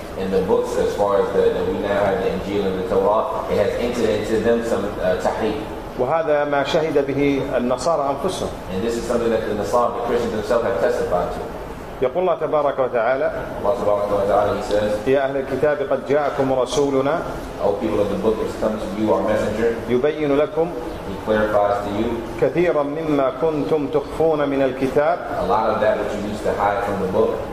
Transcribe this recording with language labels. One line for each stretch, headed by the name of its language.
English: In the books, as far as that we now have the Injil and the Torah, it has entered into them some tahrif.
Arabic: وهذا ما شهد به النصارى أنفسهم.
English: And this is something that the Nasara, the Christians themselves have testified to.
Arabic: يقول الله تبارك وتعالى.
English: Allah subhanahu wa ta'ala he says.
Arabic: يا أهل الكتاب قد جاءكم رسولنا.
English: O people of the book, has come to you our messenger.
Arabic: يبين لكم.
English: He clarifies to you.
Arabic: كثيرا مما كنتم تخفون من الكتاب.
English: A lot of that which you used to hide from the book.